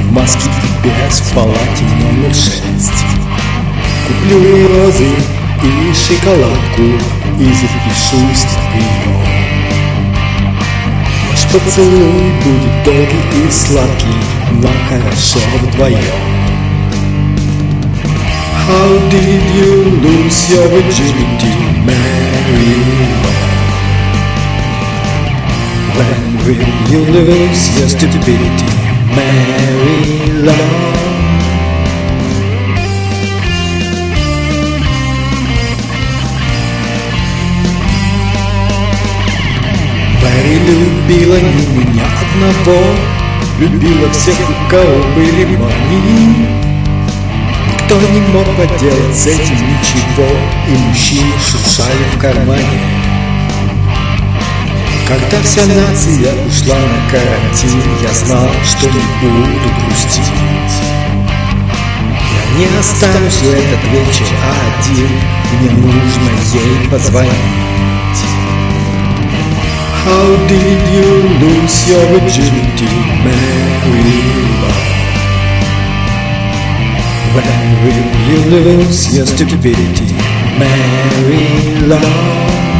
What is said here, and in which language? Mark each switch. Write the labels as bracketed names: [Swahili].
[Russian] В маске без, в палате номер 6. Куплю ей розы и шоколадку и запишусь на прием. Наш поцелуй будет долгий и сладкий, но хорошо вдвоем. [English] How did you lose your virginity, Mary Lou? When will you lose your stupidity, Mary Lou? [Russian] Мэри любила не меня одного, любила всех, у кого были мании. Кто не мог поделать с этим ничего, и мужчины шуршали в кармане. Когда вся нация ушла на карантин, я знал, что не буду грустить. Я не останусь в этот вечер один, мне нужно ей позвонить. [English] How did you lose your virginity, Mary? When will you lose your stupidity, Mary Lou?